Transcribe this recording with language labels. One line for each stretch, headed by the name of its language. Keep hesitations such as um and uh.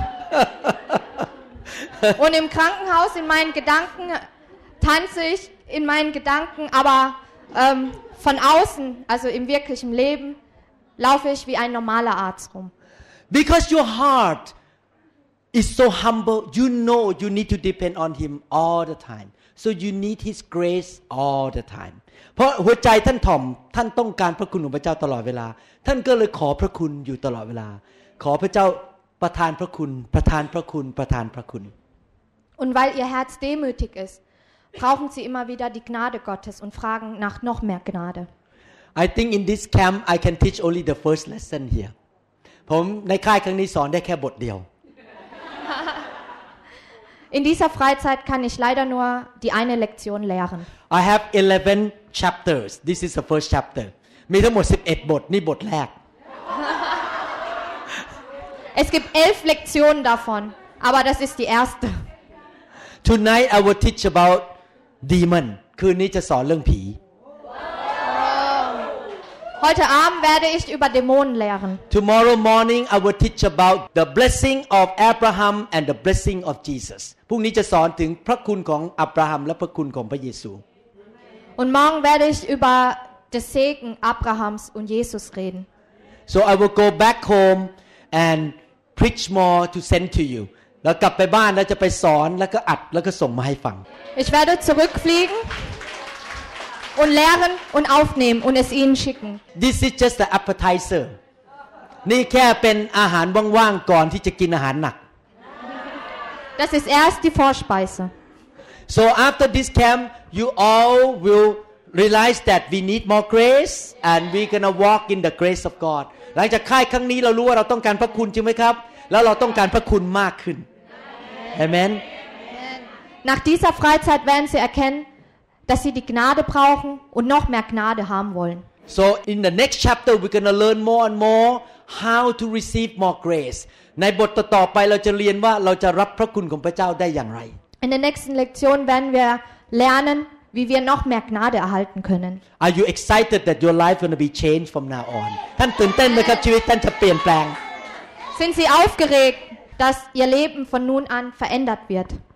German: Und im Krankenhaus in meinen Gedanken tanze ich in meinen Gedanken, aber um, von außen, also im wirklichen Leben, laufe ich wie ein normaler Arzt rum.
English: Because your heart is so humble, you know you need to depend on him all the time. So you need his grace all the time.
Thai: เพราะหัวใจท่านถ่อมท่านต้องการพระคุณของพระเจ้าตลอดเวลา ท่านก็เลยขอพระคุณอยู่ตลอดเวลา ขอพระเจ้าประทานพระคุณ ประทานพระคุณประทานพระคุณ
German: Und weil ihr Herz demütig ist, brauchen sie immer wieder die Gnade Gottes und fragen nach noch mehr Gnade.
English: I think in this camp I can teach only the first lesson here.
Thai: ผมในค่ายครั้งนี้สอนได้แค่บทเดียว
German: In dieser Freizeit kann ich leider nur die eine Lektion lehren.
English: I have 11 chapters. This is the first chapter.
Thai: มีทั้งหมด11บทนี่บทแรก
German: Es gibt elf Lektionen davon, aber das ist die erste.
English: Tonight I will teach about demon.
Thai: คืนนี้จะสอนเรื่องผี
German: Heute Abend werde ich über Dämonen lehren.
English: Tomorrow morning I will teach about the blessing of Abraham and the blessing of Jesus.
Thai: พรุ่งนี้จะสอนถึงพระคุณของอับราฮัมและพระคุณของพระเยซู
German: Und morgen werde ich über den Segen Abrahams und Jesus reden.
English: So I will go back home and preach more to send to you.
Thai: แล้วกลับไปบ้านแล้วจะไปสอนแล้วก็อัดแล้วก็ส่งมาให้ฟัง
German: Ich werde zurückfliegen. und lernen und aufnehmen und es ihnen schicken.
English: This is just the appetizer.
Thai: นี่แค่เป็นอาหารว่างๆก่อนที่จะกินอาหารหนัก
German: Das ist erst die Vorspeise.
English: So after this camp, you all will realize that we need more grace and we're gonna walk in the grace of God.
Thai: หลังจากค่ายครั้งนี้เรารู้ว่าเราต้องการพระคุณใช่ไหมครับแล้วเราต้องการพระคุณมากขึ้น Amen.
German: Nach dieser Freizeit werden Sie erkennen dass sie die Gnade brauchen und noch mehr Gnade haben wollen.
English: So in the next chapter we're going to learn more and more how to receive more grace.
Thai: ในบทต่อไปเราจะเรียนว่าเราจะรับพระคุณของพระเจ้าได้อย่างไร
English: In the next lection
German: werden wir lernen wie wir noch mehr Gnade erhalten können.
English: Are you excited that your life going to be changed from now on?
Thai: ท่านตื่นเต้นนะครับชีวิตท่านจะเปลี่ยนแปลง
German: Sind Sie aufgeregt, dass Ihr Leben von nun an verändert wird?